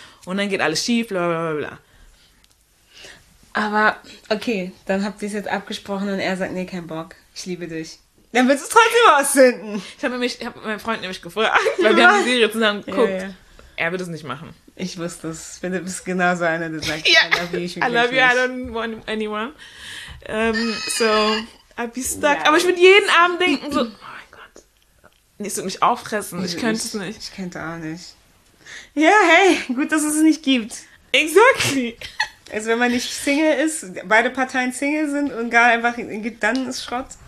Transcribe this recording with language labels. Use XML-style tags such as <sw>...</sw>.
<de>Und dann geht alles schief, bla bla bla. Aber okay, dann habt ihr es jetzt abgesprochen und er sagt, nee, kein Bock, ich liebe dich. Dann willst du es trotzdem rausfinden. Ich habe meinen Freund nämlich gefragt, weil wir haben die Serie zusammen geguckt. Ja, ja. Er wird es nicht machen. Ich wusste es. Philipp ist genauso einer, der sagt,</de> <en>I love you, I don't want anyone. So, I'll be stuck.</en> <de>Ja. Aber ich würde jeden Abend denken, so, oh mein Gott. Nee, es wird mich auffressen. Ich könnte es nicht. Ich könnte auch nicht. Ja, hey, gut, dass es nicht gibt.</de> <en>Exactly.</en> <de>Also wenn man nicht Single ist, beide Parteien Single sind und gar einfach, dann ist Schrott.</de>